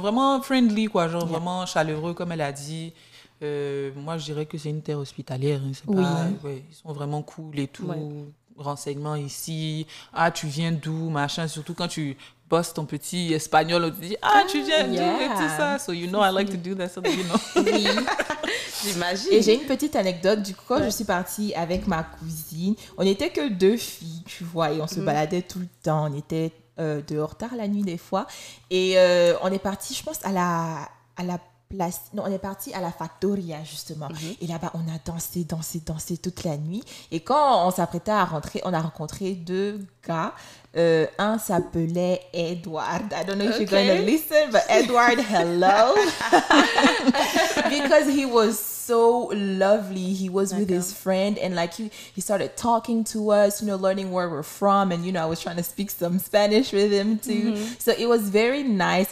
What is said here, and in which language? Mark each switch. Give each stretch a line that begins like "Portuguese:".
French: Vraiment friendly, quoi, genre vraiment chaleureux, comme elle a dit. Moi, je dirais que c'est une terre hospitalière. Hein, c'est ils sont vraiment cool et tout. Ouais. Renseignements ici. Ah, tu viens d'où, machin. Surtout quand tu bosses ton petit espagnol, on te dit ah, tu viens d'où et tout ça.
English: So you know, I like to do that, so that you know.
French: J'imagine. Et j'ai une petite anecdote. Du coup, quand je suis partie avec ma cousine, on n'était que deux filles, tu vois, et on se baladait tout le temps. On était dehors tard la nuit des fois. Et on est parti, je pense, on est parti à la Factoria, justement. Mmh. Et là-bas, on a dansé toute la nuit. Et quand on s'apprêtait à rentrer, on a rencontré deux gars. Un s'appelait Edward.
English: I don't know if you're going to listen, but Edward, hello. Because he was so lovely. He was with his friend. And like, he started talking to us, you know, learning where we're from. And, you know, I was trying to speak some Spanish with him too. Mm-hmm. So it was very nice.